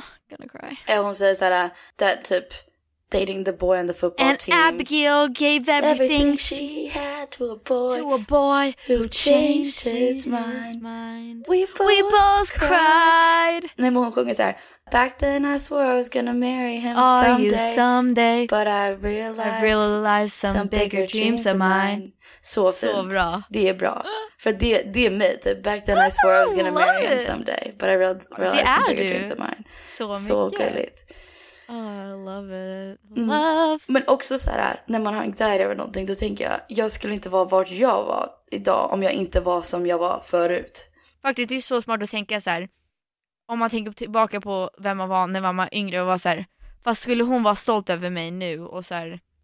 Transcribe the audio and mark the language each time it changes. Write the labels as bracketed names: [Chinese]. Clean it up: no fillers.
[English] Gonna cry. [Swedish] Och hon säger såhär, [English] that typ, dating the boy on the football and team. And Abigail gave everything she had to a boy. To a boy who changed his mind. We both cried. [Swedish] Nej, men hon sjunger så här. [English] Back then I swore I was gonna marry him someday. But I realized some bigger dreams of mine. [Swedish] Så fint. Så bra. Det är bra. För det är mitt. [English] Back then I swore I was gonna marry him someday. But I realized some bigger dreams of mine. [Swedish] Så gulligt. [English] Oh, I love it. Love. [Swedish] Men också så här, när man har anxiety över någonting, då tänker jag, jag skulle inte vara vart jag var idag om jag inte var som jag var förut. Faktiskt, det är så smart att tänka så här. Om man tänker tillbaka på vem man var när man var yngre och var så här, fast skulle hon vara stolt över mig nu och så här.